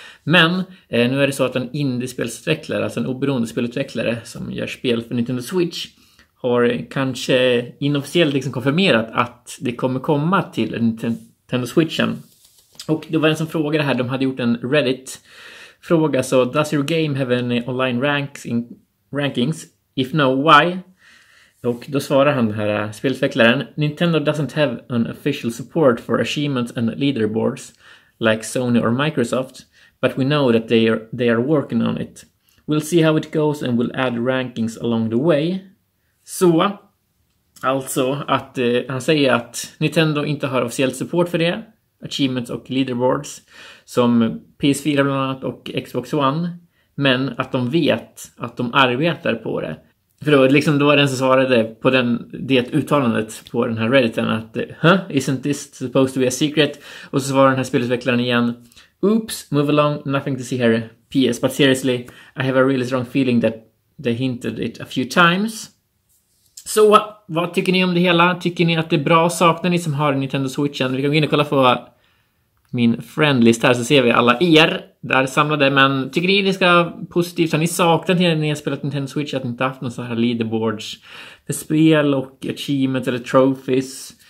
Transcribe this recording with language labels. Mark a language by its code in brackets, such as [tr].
[sv] Men nu är det så att en indiespelsutvecklare, alltså en oberoende spelutvecklare som gör spel för Nintendo Switch, har kanske inofficiellt liksom konfirmerat att det kommer komma till Nintendo Switchen. Och det var en som frågade här, de hade gjort en Reddit-fråga. [en] Så does your game have any online rankings? If no, why? [sv] Och då svarar han den här spelutvecklaren. [en] Nintendo doesn't have an official support for achievements and leaderboards like Sony or Microsoft, but we know that they are working on it. We'll see how it goes and we'll add rankings along the way. [sv] Så, alltså att han säger att Nintendo inte har officiellt support för det. Achievements och leaderboards som PS4 bland annat och Xbox One. Men att de vet att de arbetar på det. För då var den som svarade på det uttalandet på den här Redditen att [en] huh, isn't this supposed to be a secret? [sv] Och så svarade den här spelutvecklaren igen, [en] oops, move along, nothing to see here, PS. But seriously, I have a really strong feeling that they hinted it a few times. [sv] Så, vad tycker ni om det hela? Tycker ni att det är bra? Saknar ni som har Nintendo Switchen? Vi kan gå in och kolla på min friendlist här, så ser vi alla er där samlade. Men tycker ni det ska vara positivt? Har ni saknat när ni har spelat Nintendo Switch att ni inte haft någon sån här leaderboards för spel och achievements eller trophies?